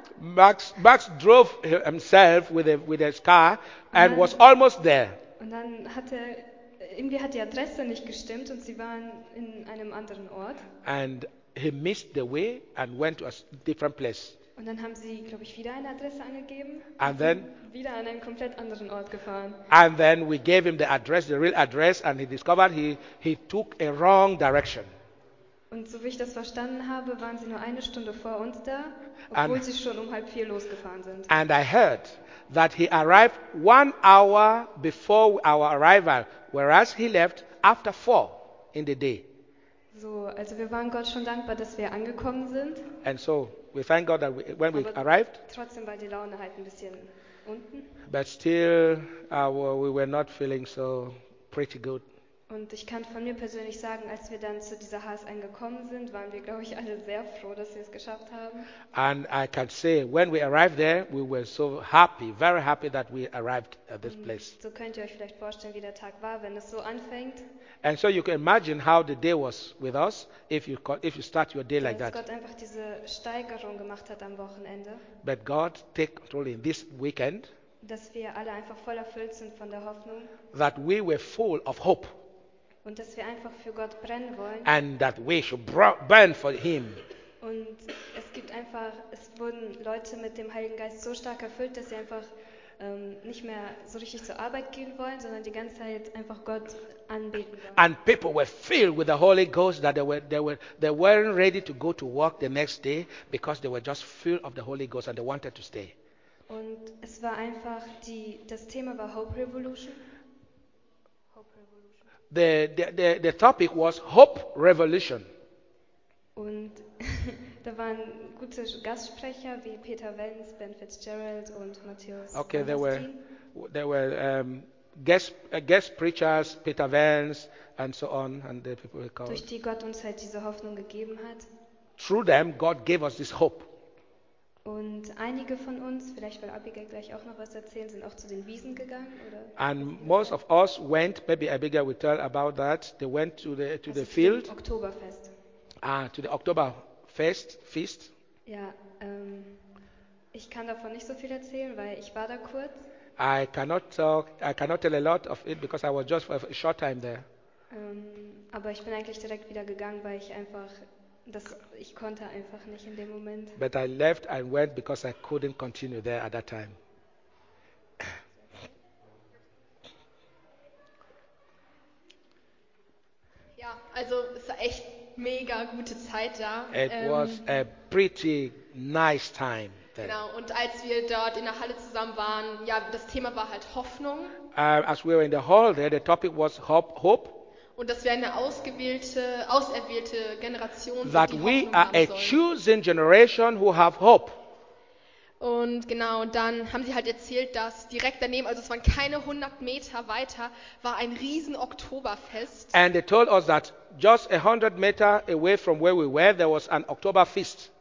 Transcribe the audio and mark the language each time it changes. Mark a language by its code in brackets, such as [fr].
[en] Max drove himself with his car and was almost there. [de] Und dann hatte irgendwie hat die Adresse nicht gestimmt und sie waren in einem anderen Ort. [en] And he missed the way and went to a different place. [de] Und dann haben sie, glaube ich, wieder eine Adresse angegeben. [en] And then, [de] wieder an einen komplett anderen Ort gefahren. [en] And then we gave him the address, the real address, and he discovered he took a wrong direction. [de] Und so wie ich das verstanden habe, waren sie nur eine Stunde vor uns da, obwohl sie schon um 3:30 losgefahren sind. [en] And I heard that he arrived 1 hour before our arrival, whereas he left after 4 in the day. [de] So, also wir waren Gott schon dankbar, dass wir angekommen sind. [en] And so we thank God that we arrived. [de] Trotzdem war die Laune halt ein bisschen unten. [en] But still, we were not feeling so pretty good. [de] Und ich kann von mir persönlich sagen, als wir dann zu dieser HS angekommen sind, waren wir, glaube ich, alle sehr froh, dass wir es geschafft haben. [en] And I can say, when we arrived there, we were so happy, very happy that we arrived at this place. [de] So könnt ihr euch vielleicht vorstellen, wie der Tag war, wenn es so anfängt. [en] And so you can imagine how the day was with us if you start your day like that. [de] Gott einfach diese Steigerung gemacht hat am Wochenende. [en] But God take control in this weekend. [de] Dass wir alle einfach voll erfüllt sind von der Hoffnung. [en] That we were full of hope. [de] Und dass wir einfach für Gott brennen wollen. [en] And that we should burn for him. [de] Und es gibt einfach, es wurden Leute mit dem Heiligen Geist so stark erfüllt, dass sie einfach nicht mehr so richtig zur Arbeit gehen wollen, sondern die ganze Zeit einfach Gott anbeten wollen. [en] And people were filled with the Holy Ghost that they weren't ready to go to work the next day because they were just filled of the Holy Ghost and they wanted to stay. [de] Und es war einfach das Thema war Hope Revolution. [en] The topic was Hope Revolution. [de] Und da waren gute Gastsprecher wie Peter Wenz, Ben Fitzgerald und Matthäus. [en] Okay, there were guest preachers, Peter Wenz and so on, and the people we called. [de] Durch die Gott uns halt diese Hoffnung gegeben hat. [en] Through them, God gave us this hope. [de] Und einige von uns, vielleicht will Abigail gleich auch noch was erzählen, sind auch zu den Wiesen gegangen, oder? [en] And most of us went, maybe Abigail will tell about that, they went to the field. [de] Oktoberfest. [en] To the Oktoberfest, feast. [de] Ja, ich kann davon nicht so viel erzählen, weil ich war da kurz. [en] I cannot tell a lot of it, because I was just for a short time there. [de] Aber ich bin eigentlich direkt wieder gegangen, weil ich einfach... ich konnte einfach nicht in dem Moment. [en] But I left and went because I couldn't continue there at that time. [de] Ja, also es war echt mega gute Zeit da. [en] It was a pretty nice time there. [de] Genau, und als wir dort in der Halle zusammen waren, ja, das Thema war halt Hoffnung. [en] As we were in the hall there, the topic was hope. [de] Und dass wir eine auserwählte Generation sind, [en] that [de] die Hoffnung haben sollen. [en] That we are a chosen generation who have hope. [de] Und genau, dann haben sie halt erzählt, dass direkt daneben, also es waren keine 100 Meter weiter, war ein riesen Oktoberfest. [en] And they told us that just 100 Meter away from where we were, there was an Oktoberfest.